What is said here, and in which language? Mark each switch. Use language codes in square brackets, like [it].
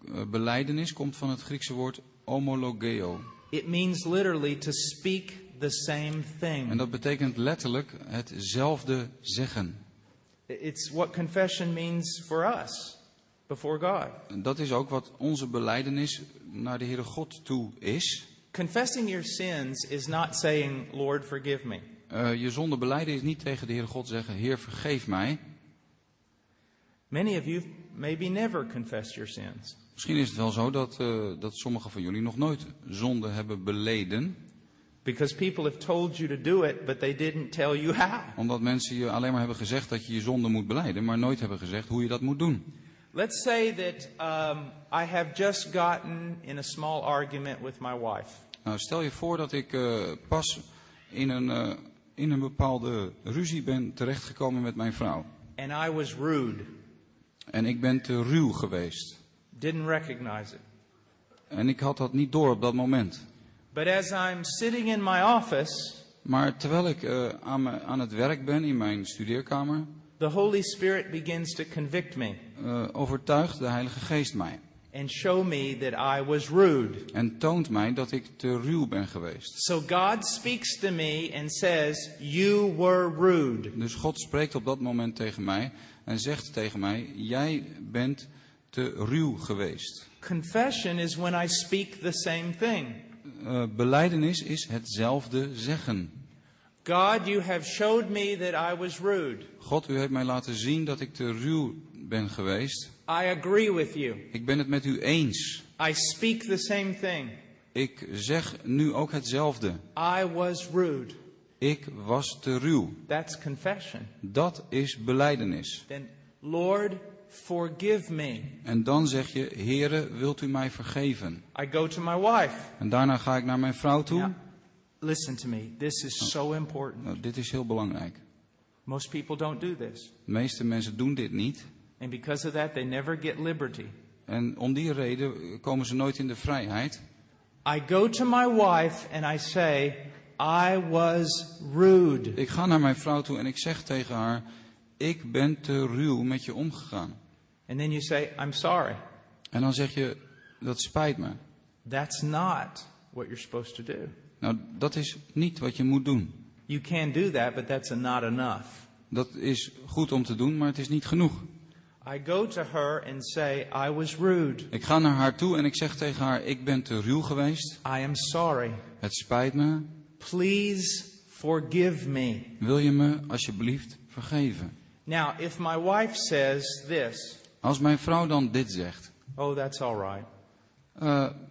[nl] Belijdenis komt van het Griekse woord homologeo. [en] It means literally to speak the same thing. [nl] En dat betekent letterlijk hetzelfde zeggen. [en] It's what confession means for us before God. [nl] Dat is ook wat onze belijdenis naar de Heere God toe is. [en] Confessing your sins is not saying, Lord, forgive me. [nl] Je zonde belijden is niet tegen de Heere God zeggen, Heer, vergeef mij. [en] Many of you maybe never confessed your sins. [nl] Misschien is het wel zo dat sommigen van jullie nog nooit zonde hebben beleden. [en] Because people have told you to do it, but they didn't tell you how. [nl] Omdat mensen je alleen maar hebben gezegd dat je je zonde moet beleiden, maar nooit hebben gezegd hoe je dat moet doen. [en] Let's say that I have just gotten in a small argument with my wife. [nl] Nou, stel je voor dat ik pas in een bepaalde ruzie ben terechtgekomen met mijn vrouw. [en] And I was rude. [nl] En ik ben te ruw geweest. [en] Didn't recognize it. [nl] En ik had dat niet door op dat moment. [en] But as I'm sitting in my office, [nl] maar terwijl ik aan het werk ben in mijn studeerkamer, [en] the Holy Spirit begins to convict me. [nl] Overtuigt de Heilige Geest mij. [en] And show me that I was rude. [nl] En toont mij dat ik te ruw ben geweest. [en] So God speaks to me and says, "You were rude." [nl] Dus God spreekt op dat moment tegen mij en zegt tegen mij, jij bent te ruw geweest. [en] Confession is when I speak the same thing. [nl] Belijdenis is hetzelfde zeggen. [en] God, you have showed me that I was rude. [nl] God, u heeft mij laten zien dat ik te ruw ben geweest. [en] I agree with you. [nl] Ik ben het met u eens. [en] I speak the same thing. [nl] Ik zeg nu ook hetzelfde. [en] I was rude. [nl] Ik was te ruw. [en] That's confession. [nl] Dat is belijdenis. [en] Then, Lord, forgive me. [nl] En dan zeg je, Heere, wilt u mij vergeven? [en] I go to my wife. [nl] En daarna ga ik naar mijn vrouw toe. [en] Now, listen to me. This is so important. [nl] Nou, dit is heel belangrijk. [en] Most people don't do this. [nl] De meeste mensen doen dit niet. [en] And because of that, they never get liberty. [nl] En om die reden komen ze nooit in de vrijheid. [en] I go to my wife and I say, I was rude. [nl] Ik ga naar mijn vrouw toe en ik zeg tegen haar, ik ben te ruw met je omgegaan. [en] And then you say, I'm sorry. [nl] En dan zeg je, dat spijt me. [en] That's not what you're supposed to do. [nl] Nou, dat is niet wat je moet doen. [en] You can do that, but that's not enough. [nl] Dat is goed om te doen, maar het is niet genoeg. [en] I go to her and say, I was rude. [nl] Ik ga naar haar toe en ik zeg tegen haar, ik ben te ruw geweest. [en] I am sorry. [nl] Het spijt me. [en] Please forgive me. [nl] Wil je me alsjeblieft vergeven? [en] Now, if my wife says this, [nl] als mijn vrouw dan dit zegt. [en] Oh, that's all right.